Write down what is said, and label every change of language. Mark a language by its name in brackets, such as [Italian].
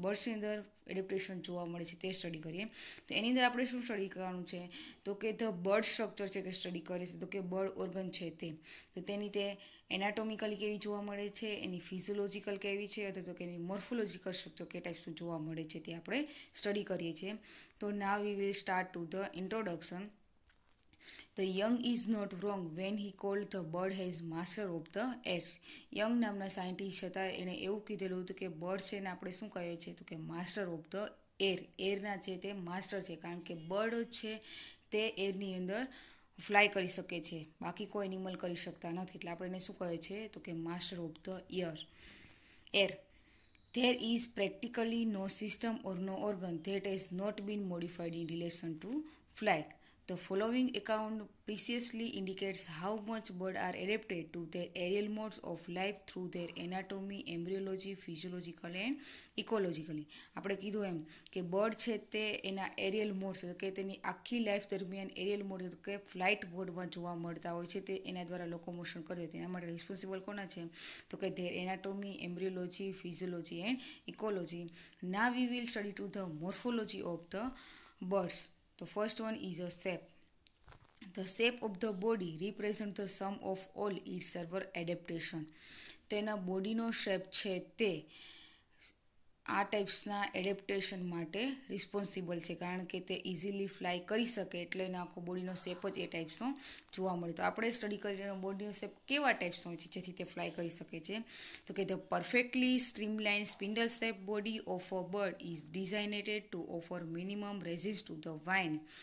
[Gujarati] બર્ડ્સની અંદર એડેપ્ટેશન જોવા મળે છે તે સ્ટડી કરીએ. તો એની અંદર આપણે શું સ્ટડી કરવાનું છે તો કે [English] the bird structure [Gujarati] છે તે સ્ટડી કરીએ છીએ. તો કે બર્ડ ઓર્ગન છે તે, તો તેની તે એનાટોમિકલી કેવી જોવા મળે છે, એની ફિઝિયોલોજિકલ કેવી છે, અથવા તો કે એની મોર્ફોલોજિકલ સ્ટ્રક્ચર કે ટાઈપ્સનું જોવા મળે છે તે આપણે સ્ટડી કરીએ છીએ. [English] તો now we will start to the introduction. The young is not wrong when he called the bird as master of the air. [Gujarati] Young નામના સાયન્ટિસ્ટ હતા, એણે એવું કીધેલું હતું કે બર્ડ છે ને આપણે શું કહીએ છીએ તો કે માસ્ટર ઓફ ધ એર, એરના છે તે માસ્ટર છે, કારણ કે બર્ડ છે તે એરની અંદર ફ્લાય કરી શકે છે, બાકી કોઈ એનિમલ કરી શકતા નથી, એટલે આપણે એને શું કહીએ છીએ તો કે master of the air. [English] Air There is practically no system or no organ that has not been modified in relation to flight. The following account precisely indicates how much birds are adapted to their aerial modes of life through their anatomy, embryology, physiological and ecologically. [Gujarati] આપણે કીધું એમ કે bird છે તે એના aerial modes કે તેની આખી life દરમિયાન એરિયલ મોડ કે ફ્લાઇટ મોડમાં જોવા મળતા હોય છે, તે એના દ્વારા લોકોમોશન કરે છે, તેના માટે રિસ્પોન્સિબલ કોના છે તો કે there anatomy, એમ્બ્રિયોલોજી, physiology and ecology. [English] Now we will study to the morphology of the birds. The first one is a shape. The shape of the body represents the sum of all its several adaptation. [Gujarati] તેના બોડીનો shape છે તે આ ટાઈપ્સના adaptation માટે responsible છે, કારણ કે તે easily fly કરી શકે એટલે એના આખો બોડીનો શેપ જ એ ટાઈપ્સનો જોવા મળે. તો આપણે સ્ટડી કરીને એનો બોડીનો શેપ કેવા ટાઈપ્સનો હોય છે જેથી તે ફ્લાય કરી શકે છે તો કે [English] the perfectly streamline spindle shape body of a bird is designated to offer minimum resist to the wind